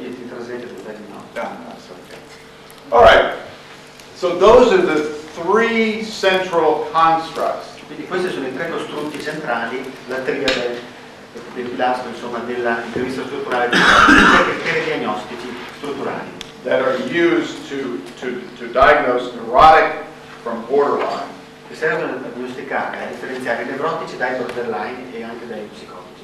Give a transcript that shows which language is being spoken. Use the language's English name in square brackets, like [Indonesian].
[Italian] Io ti trasmetto il termine. [English] All right. So those are the three central constructs. [Italian] Quindi questi sono i tre costrutti centrali, la triade del pilastro, insomma, dell'intervista strutturale, dei tre diagnostici strutturali. [English] That are used to diagnose neurotic from borderline. [Italian] Che servono a diagnosticare, a differenziare i nevrotici dai borderline e anche dai psicotici.